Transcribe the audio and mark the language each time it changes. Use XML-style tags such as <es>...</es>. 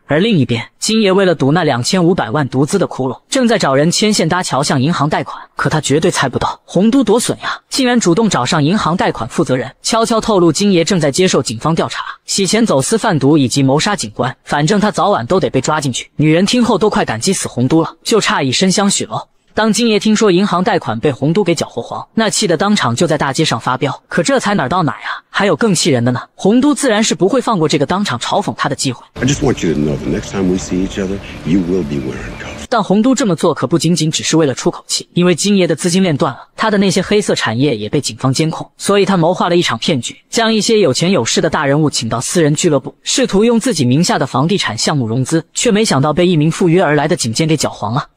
<zh>而另一边，金爷为了赌那2500万独资的窟窿，正在找人牵线搭桥向银行贷款，可他绝对猜不到红都多损呀，竟然主动找上银行贷款负责人，悄悄透露金爷正在接受警方调查，洗钱走私贩毒以及谋杀警官，反正他早晚都得被抓进去。女人听后都快感激死红都了，就差以身相许咯。当金爷听说银行贷款被红都给搅和黄，那气得当场就在大街上发飙。可这才哪儿到哪儿啊，还有更气人的呢，红都自然是不会放过这个当场嘲讽他的机会。</zh> <en>I just want you to know the next time we see each other you will be wearing cuffs。</en> <zh>但红都这么做可不仅仅只是为了出口气，因为金爷的资金链断了，他的那些黑色产业也被警方监控，所以他谋划了一场骗局，将一些有钱有势的大人物请到私人俱乐部，试图用自己名下的房地产项目融资，却没想到被一名赴约而来的警监给搅黄了。</zh>